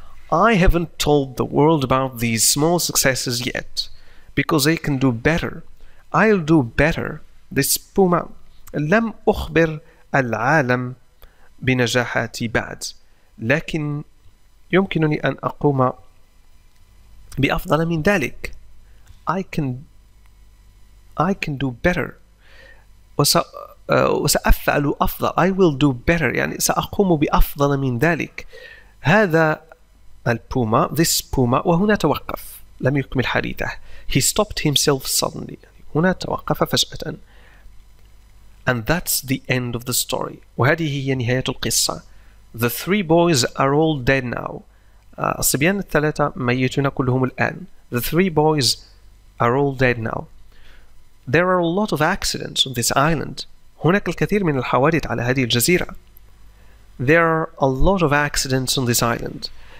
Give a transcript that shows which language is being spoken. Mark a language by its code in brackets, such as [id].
[en] I haven't told the world about these small successes yet because they can do better. I'll do better. This puma [ar] لم أخبر العالم بنجاحاتي بعد لكن يمكنني أن أقوم بأفضل من ذلك. [en] I can do better. [ar] وسأفعل أفضل. [en] I will do better. [ar] يعني سأقوم بأفضل من ذلك. هذا البوما. [en] This puma. [ar] وهنا توقف. لم يكمل حديثه. [en] He stopped himself suddenly. [ar] هنا توقف فجأة. [en] And that's the end of the story. [ar] وهذه هي نهاية القصة. [en] The three boys are all dead now. [ar] الصبيان الثلاثة ميتون كلهم الآن. [en] The three boys are all dead now. There are a lot of accidents on this island. [ar] هناك الكثير من الحوادث على هذه الجزيرة. [en] There are a lot of accidents on this island.